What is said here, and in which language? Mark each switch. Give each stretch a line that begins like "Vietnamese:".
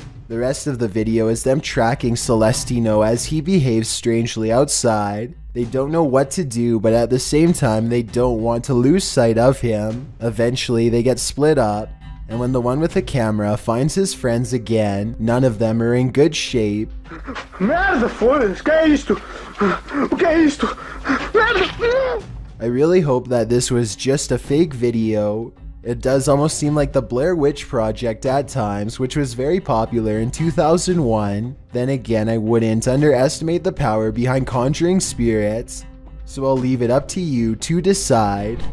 English: The rest of the video is them tracking Celestino as he behaves strangely outside. They don't know what to do, but at the same time, they don't want to lose sight of him. Eventually, they get split up, and when the one with the camera finds his friends again, none of them are in good shape.
Portuguese: Merda, foda-se, que é isto? O que é isto? Merda!
English: I really hope that this was just a fake video. It does almost seem like the Blair Witch Project at times, which was very popular in 2001. Then again, I wouldn't underestimate the power behind conjuring spirits. So I'll leave it up to you to decide.